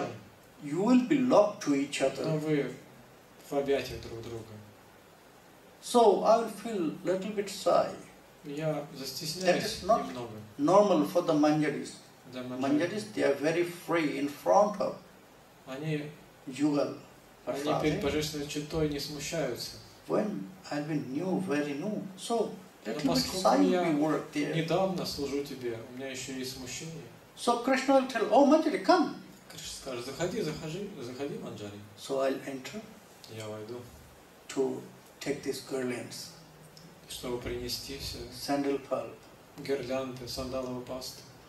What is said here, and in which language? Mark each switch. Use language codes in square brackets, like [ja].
[en] But you will be locked to each other. [ru] Но вы в объятиях друг друга. [en] So I'll feel a little bit shy. [ru] Я застесняюсь немного. [en] Normal for the manjaris. Manjaris, they are very free in front of [ru] они югал, они перед божественной читой не смущаются. [en] When I've been new, very new, so let him excite me work there. [ru] Недавно служу тебе, у меня еще есть смущение. [en] So Krishna will tell, oh, manjari, come. [ru] Krishna скажет, заходи, manjari. [en] So I'll enter. [ru] Я войду. [en] To take these garlands. [ru] Чтобы принести все. [en] Sandal pulp. [ru] Гирлянды, сандаловую пасту.